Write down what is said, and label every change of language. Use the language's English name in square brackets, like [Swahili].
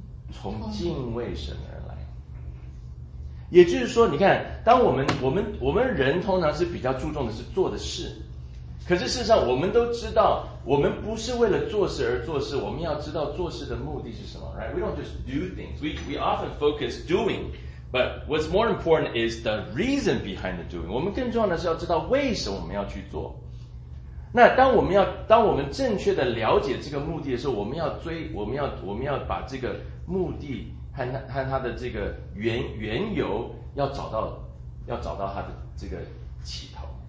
[Chinese] 从敬畏神而来。也就是说，你看，当我们人通常是比较注重的是做的事，可是事实上我们都知道，我们不是为了做事而做事，我们要知道做事的目的是什么， right? [English] We don't just do things. We often focus doing, but what's more important is the reason behind the doing. [Chinese] 我们更重要的是要知道为什么我们要去做。那当我们正确的了解这个目的的时候，我们要把这个目的和它的这个缘由要找到它的这个起头。